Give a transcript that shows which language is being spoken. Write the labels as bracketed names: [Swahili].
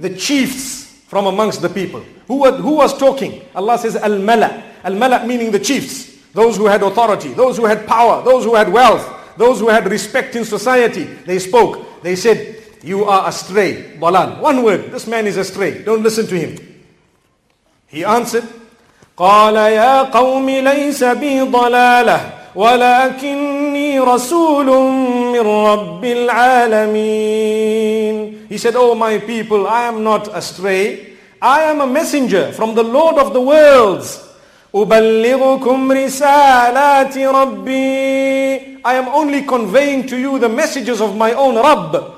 [English] The chiefs from amongst the people. Who was talking? Allah says, الْمَلَأُ. الْمَلَأُ meaning the chiefs. Those who had authority, those who had power, those who had wealth, those who had respect in society. They spoke. They said, you are astray. ضَلَال. One word. This man is astray. Don't listen to him. He answered, [Arabic] قال يا قوم ليس بي ضلالة ولكني رسول من رب العالمين. [English] He said, Oh my people, I am not astray. I am a messenger from the Lord of the worlds. [Arabic] أبلغكم رسالات ربي. [English] I am only conveying to you the messages of my own Rabb.